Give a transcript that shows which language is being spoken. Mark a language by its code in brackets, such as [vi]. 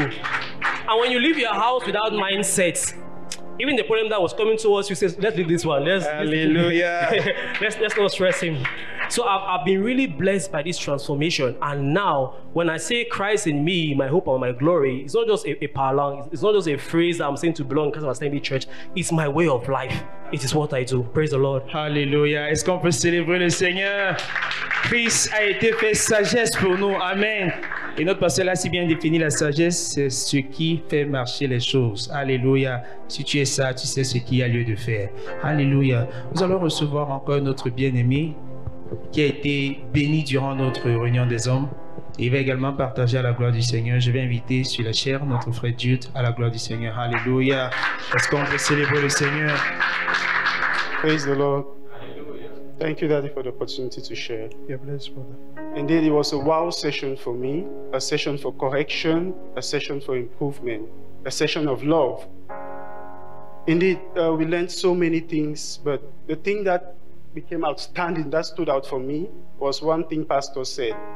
[en] And when you leave your house without mindsets, even the problem that was coming towards you says, let's leave this one. Hallelujah. let's not stress him. So I've been really blessed by this transformation. And now, when I say Christ in me, my hope and my glory, it's not just a parlance. It's not just a phrase that I'm saying to belong because of Assembly Church. It's my way of life. It is what I do. Praise the Lord. Hallelujah. [fr] Est-ce qu'on peut célébrer le Seigneur? Christ a été fait sagesse pour nous. Amen. Et notre pasteur l'a si bien défini, la sagesse, c'est ce qui fait marcher les choses. Alléluia. Si tu es sage, tu sais ce qu'il y a lieu de faire. Alléluia. Nous allons recevoir encore notre bien-aimé qui a été béni durant notre réunion des hommes. Il va également partager à la gloire du Seigneur. Je vais inviter sur la chair notre frère Jude à la gloire du Seigneur. Alléluia. Est-ce qu'on peut célébrer le Seigneur? [en] Praise the Lord. Thank you, Daddy, for the opportunity to share. You're blessed, brother. Indeed, it was a wow session for me, a session for correction, a session for improvement, a session of love. Indeed, we learned so many things, but the thing that became outstanding, that stood out for me, was one thing Pastor said.